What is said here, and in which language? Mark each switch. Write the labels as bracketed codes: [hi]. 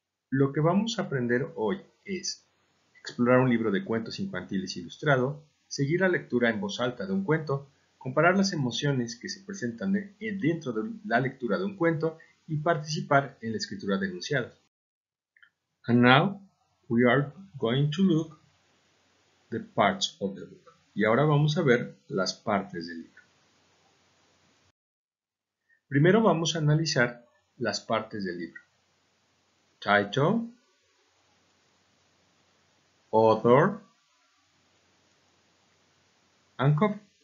[es] Lo que vamos a aprender hoy es explorar un libro de cuentos infantiles ilustrado, seguir la lectura en voz alta de un cuento, comparar las emociones que se presentan dentro de la lectura de un cuento y participar en la escritura de enunciados. [en] And now, we are going to look the parts of the book. [es] Y ahora vamos a ver las partes del libro. Primero vamos a analizar las partes del libro. [en] Title, author, and cover.